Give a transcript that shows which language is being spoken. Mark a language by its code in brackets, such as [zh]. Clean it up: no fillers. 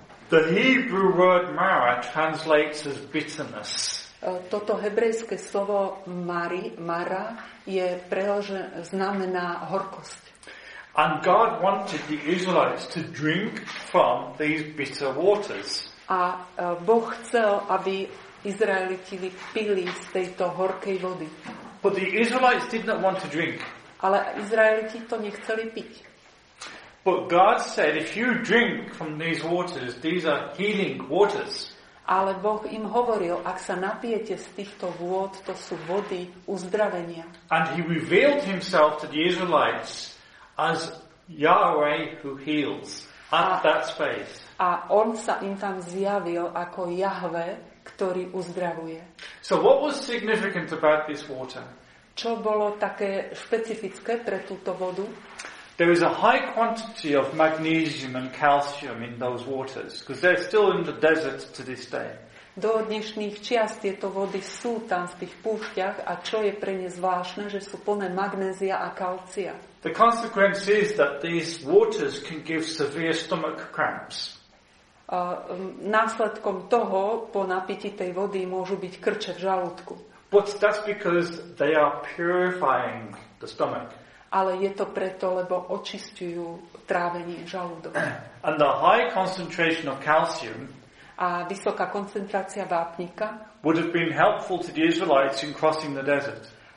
[en] The Hebrew word Mara translates as bitterness. [sk] Toto hebrejské slovo Mara je preložené znamená horkosť. [en] And God wanted the Israelites to drink from these bitter waters. [sk] A Boh chcel, aby Izraeliti pili z tejto horkej vody. [en] But the Israelites did not want to drink. [sk] Ale Izraeliti to nechceli piť. [en] But God said, if you drink from these waters, these are healing waters. [sk] Ale Boh im hovoril, ak sa napijete z týchto vôd, to sú vody uzdravenia. [en] And he revealed himself to the Israelites as Yahweh who heals at that space. [sk] A on sa im tam zjavil ako Jahve, ktorý uzdravuje. [en] So what was significant about this water? [sk] Čo bolo také špecifické pre túto vodu? [en] There is a high quantity of magnesium and calcium in those waters because they're still in the desert to this day. [sk] Do dnešných čiast tieto vody sú tam v tých púšťach a čo je pre ne zvláštne, že sú plné magnézia a kalcia. [en] The consequence is that these waters can give severe stomach cramps. [sk] Následkom toho, po napití tej vody môžu byť krče v žalúdku. [en] But that's because they are purifying the stomach. [sk] Ale je to preto, lebo očisťujú trávenie žalúdok. [en] And the high concentration of calcium [sk] a vysoká koncentrácia vápnika [en] would have been helpful to the Israelites in crossing the desert.